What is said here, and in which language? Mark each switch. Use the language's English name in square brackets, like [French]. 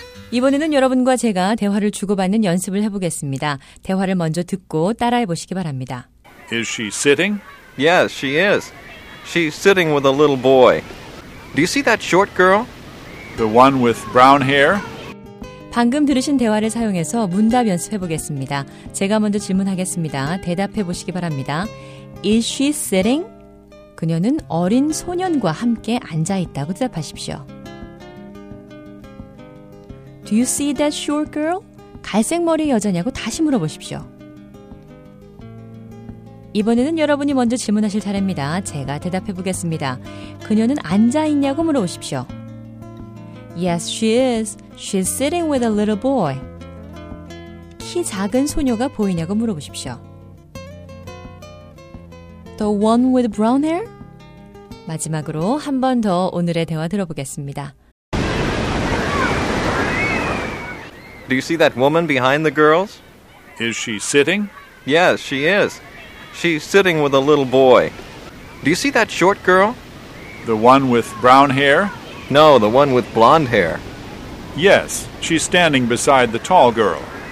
[Korean] 이번에는 여러분과 제가 대화를 주고받는 연습을 해보겠습니다. 대화를 먼저 듣고 따라해보시기 바랍니다. [English] Is she sitting? Yes, she is. She's sitting with a little boy. Do you see that short girl? The one with brown hair? [Korean] 방금 들으신 대화를 사용해서 문답 연습해 보겠습니다. 제가 먼저 질문하겠습니다. 대답해 보시기 바랍니다. [English] Is she sitting? [Korean] 그녀는 어린 소년과 함께 앉아 있다고 대답하십시오. [English] Do you see that short girl? [Korean] 갈색 머리 여자냐고 다시 물어보십시오. 이번에는 여러분이 먼저 질문하실 차례입니다. 제가 대답해 보겠습니다. 그녀는 앉아 있냐고 물어보십시오. [English] Yes, she is. She's sitting with a little boy. [Korean] 키 작은 소녀가 보이냐고 물어보십시오. [English] The one with brown hair? [Korean] 마지막으로 한 번 더 오늘의 대화 들어보겠습니다. [English] Do you see that woman behind the girls? Is she sitting? Yes, she is. She's sitting with a little boy. Do you see that short girl? The one with brown hair? No, the one with blonde hair. Yes, she's standing beside the tall girl.